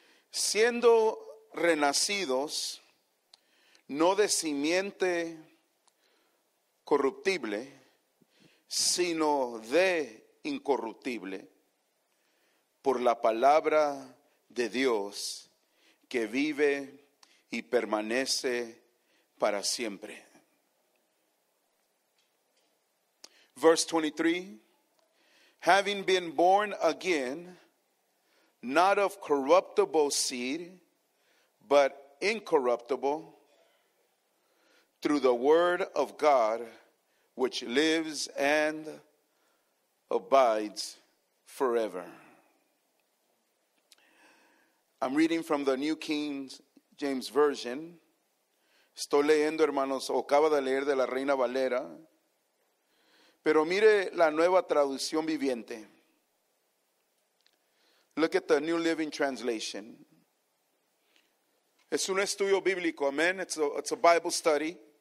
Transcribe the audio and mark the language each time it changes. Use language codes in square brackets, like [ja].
[es] Siendo renacidos, no de simiente corruptible, sino de incorruptible, por la palabra de Dios que vive y permanece para siempre. [en] Verse 23, having been born again, not of corruptible seed, but incorruptible, through the word of God, which lives and abides forever. I'm reading from the New King James Version. [es] Estoy leyendo, hermanos, o acaba de leer de la Reina Valera. Pero mire la nueva traducción viviente. [en] Look at the New Living Translation. [es] Es un estudio bíblico, amen. [en] It's a Bible study.